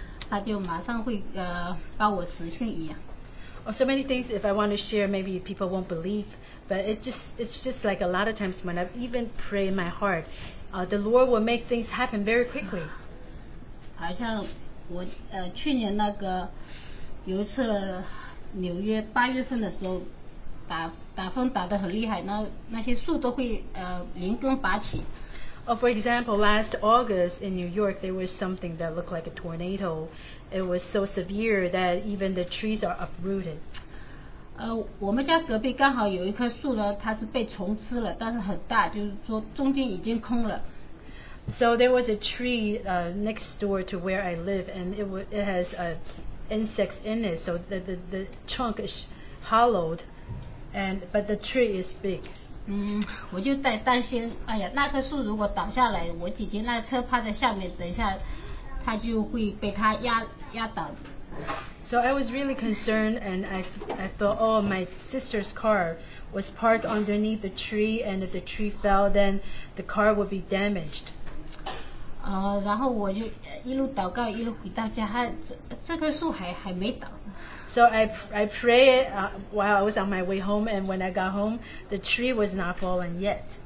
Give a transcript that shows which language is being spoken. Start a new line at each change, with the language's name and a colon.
Chinese: 他就马上会帮我实现一样。
English: Oh, so many things. If I want to share, maybe people won't believe. But it's just like a lot of times when I even pray in my heart, the Lord will make things happen very quickly.
Chinese: 好像我去年那个有一次纽约八月份的时候，打风打得很厉害，那些树都会连根拔起。
English: Oh, for example, last August in New York, there was something that looked like a tornado. It was so severe that even the trees are uprooted.
Chinese: 我们家隔壁刚好有一棵树呢，它是被虫吃了，但是很大，就是说中间已经空了。
English: So there was a tree next door to where I live, and it has insects in it, so the trunk is hollowed, but the tree is big.
Chinese: 我就在担心，哎呀，那棵树如果倒下来，我姐姐那车趴在下面，等一下，它就会被它压倒。
English: So I was really concerned, and I thought, oh, my sister's car was parked underneath the tree, and if the tree fell, then the car would be damaged.
Chinese: 然后我就一路祷告，一路回到家，这棵树还没倒。
English: So I prayed while I was on my way home, and when I got home, the tree was not fallen yet.